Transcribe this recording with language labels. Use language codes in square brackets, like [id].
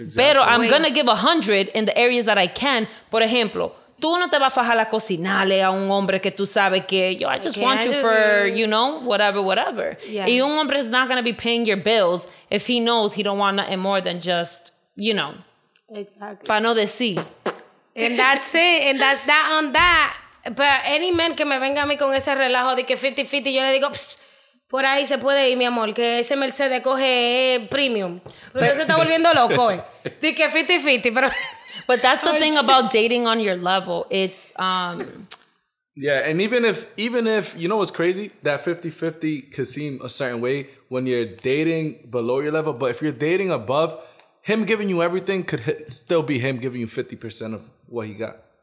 [en] Pero I'm going to give 100 in the areas that I can. [es] Por ejemplo, tú no te vas a fajar a cocinarle a un hombre que tú sabes que, yo, [en] I just want you for, you know, whatever, whatever. Yeah. [es] Y un hombre [en] is not going to be paying your bills if he knows he don't want nothing more than just, you know. Exactly. [es] Para no decir. [en] And that's it. And that's that on that. But any man [es] que me venga a mí con ese relajo de que 50-50, yo le digo, psst, por ahí se puede ir, mi amor, que ese Mercedes coge premium. Pero usted se está volviendo loco, De que 50-50, pero... [en] But that's the thing about dating on your level. It's, Yeah, and even if, you know what's crazy? That 50-50 could seem a certain way when you're dating below your level. But if you're dating above... Him giving you everything could still be him giving you 50% of what he got.